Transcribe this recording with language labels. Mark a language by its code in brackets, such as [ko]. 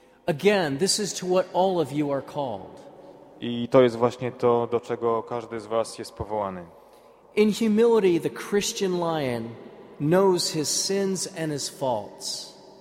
[en] Again, this is to what all of you are called. [pl] I to jest właśnie to, do czego każdy z was jest powołany. [en] In humility, the Christian Lion knows his sins and his faults.